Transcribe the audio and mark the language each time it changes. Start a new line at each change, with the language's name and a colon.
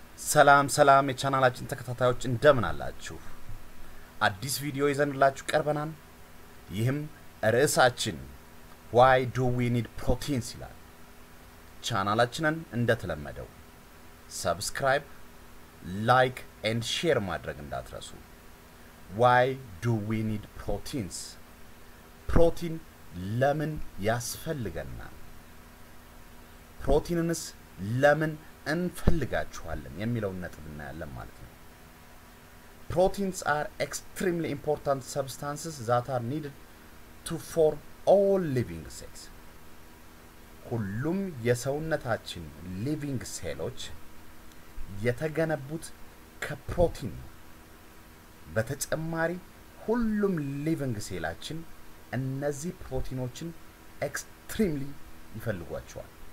Amharic: ሰላም ሰላም የቻናላችን ተከታታዮች እንደምን አላችሁ? አዲስ ቪዲዮ ይዘንላችሁ ቀርበናል። ይህም ርዕሳችን
English: Why do we need proteins
Amharic: ይላል። ቻናላችንን እንደተለመደው
English: Subscribe, Like and Share
Amharic: ማድረግ እንዳትረሱ።
English: Why do we need proteins?
Amharic: ፕሮቲን ለምን ያስፈልገናል? ፕሮቲንንስ ለምን እንፈልጋቸዋለን የሚለውን ነጥብ እናያለን ማለት ነው።
English: Proteins are extremely important substances that are needed to form all living cells.
Amharic: ሁሉም የሰውነታችን living cellsዎች የተገነቡት ከፕሮቲን ነው። በተጨማሪ ሁሉም living cellsዎችን እነዚህ ፕሮቲኖችን extremely ይፈልጓቸዋል።